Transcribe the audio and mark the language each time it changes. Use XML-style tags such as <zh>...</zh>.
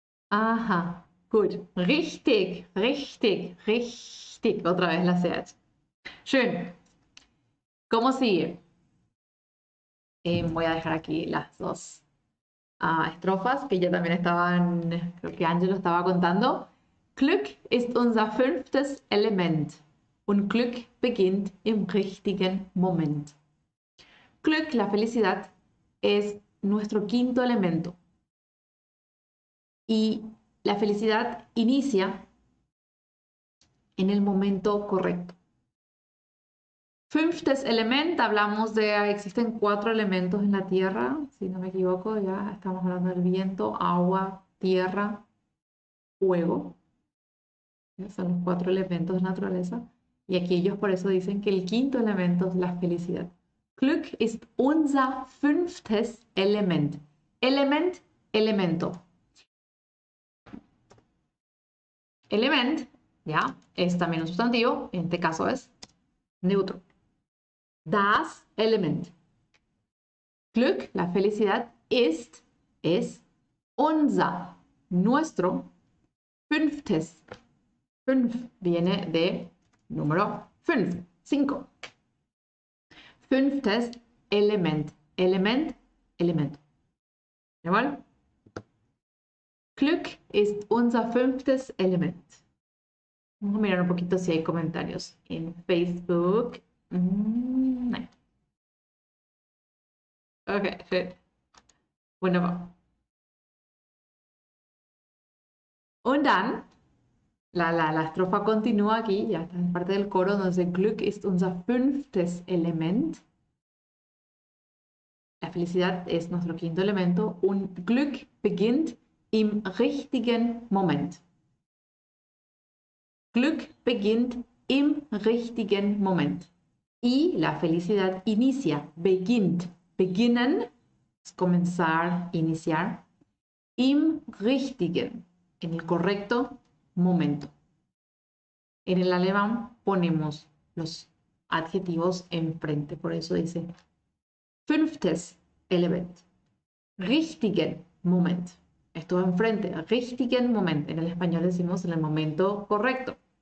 <de>Aha. Gut. Richtig. Richtig.</de> <es>Richtig. Otra vez la CH. Schön. ¿Cómo sigue? Voy a dejar aquí las dos estrofas que ya también estaban, creo que Ángel lo estaba contando.</es> <de>Glück ist unser fünftes Element und Glück beginnt im richtigen Moment.</de> <es>Glück, la felicidad, es nuestro quinto elemento. Y la felicidad inicia en el momento correcto. Fünftes Element, hablamos de, existen cuatro elementos en la Tierra, si no me equivoco, ya estamos hablando del viento, agua, tierra, fuego. Ya son los cuatro elementos de naturaleza. Y aquí ellos por eso dicen que el quinto elemento es la felicidad.</es> <de>Glück ist unser fünftes Element.</de> <es>Element, elemento. Element, ya, es también un sustantivo, en este caso es neutro. Das Element. Glück, la felicidad, es unser, nuestro, fünftes. Fünf viene de número fünf, cinco. Fünftes Element. Element, elemento. ¿De acuerdo?</es> <de>Glück ist unser fünftes Element.</de> <es>Vamos a mirar un poquito si hay comentarios en Facebook. No.</es> <en>Okay, good. Wunderbar.</en> <es>Und dann, la estrofa continúa aquí, ya está en parte del coro donde dice</es> <de>Glück ist unser fünftes Element.</de> <es>La felicidad es nuestro quinto elemento.</es> <de>Un Glück beginnt im richtigen Moment. Glück beginnt im richtigen Moment.</de> <es>Y la felicidad inicia, beginnt, beginnen, es comenzar, iniciar, im richtigen, en el correcto momento. En el alemán ponemos los adjetivos enfrente, por eso dice fünftes Element, richtigen Moment, esto enfrente, richtigen Moment, en el español decimos en el momento correcto.</es>